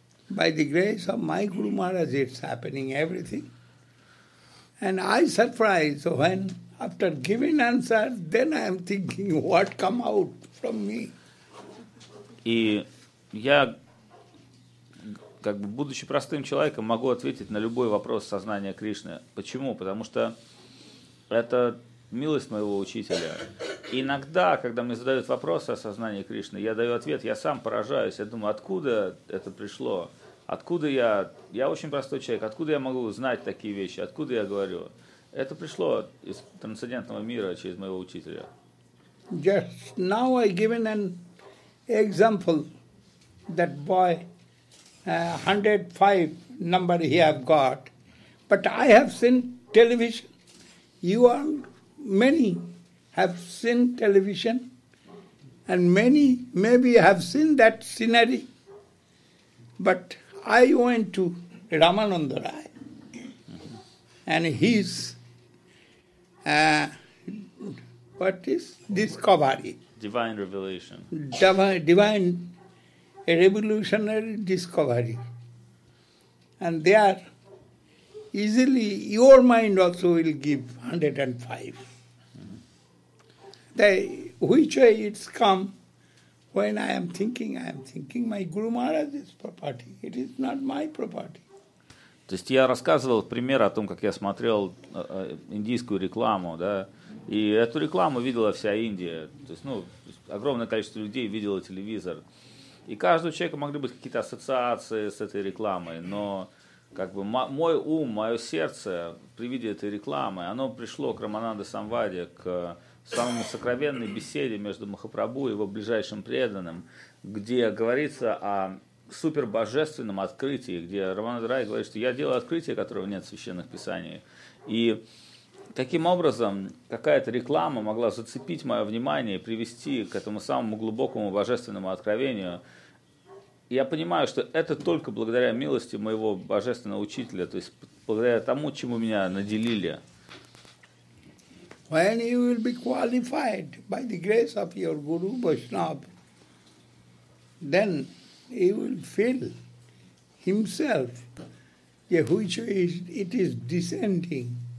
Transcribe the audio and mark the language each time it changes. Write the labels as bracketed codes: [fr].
[en] By the grace of my Guru Maharaj, it's happening, everything. And I surprise, so when, after giving answer, then I am thinking, what come out from me? [ru] И я, как бы, будучи простым человеком, могу ответить на любой вопрос сознания Кришны. Почему? Потому что это милость моего учителя. И иногда, когда мне задают вопросы о сознании Кришны, я даю ответ, я сам поражаюсь. Я думаю, откуда это пришло? Откуда я очень простой человек, откуда я могу знать такие вещи, откуда я говорю? Это пришло из трансцендентного мира через моего учителя. [en] Just now I given an example, that boy, 105 number he have got, but I have seen television, you are many have seen television, and many maybe have seen that scenery, but I went to Ramananda Rai, and his what is discovery? Divine revelation. Divine revolutionary discovery. And there, easily your mind also will give 105. Mm-hmm. Which way it's come? When I am thinking my Guru Maharaj is property. It is not my property. [ru] То есть я рассказывал пример о том, как я смотрел индийскую рекламу, да, и эту рекламу видела вся Индия. То есть, ну, огромное количество людей видело телевизор. И каждого человека могли быть какие-то ассоциации с этой рекламой, но как бы мой ум, мое сердце при виде этой рекламы, оно пришло к Рамананде Самваде, к самой сокровенной беседе между Махапрабху и его ближайшим преданным, где говорится о супербожественном открытии, где Рамананда Рай говорит, что я делаю открытие, которого нет в священных писаниях. И таким образом какая-то реклама могла зацепить мое внимание и привести к этому самому глубокому божественному откровению. Я понимаю, что это только благодаря милости моего божественного учителя, то есть благодаря тому, чему меня наделили. [en] When you will be qualified by the grace of your Guru Vaishnava, then you will feel himself, which is, it is descending.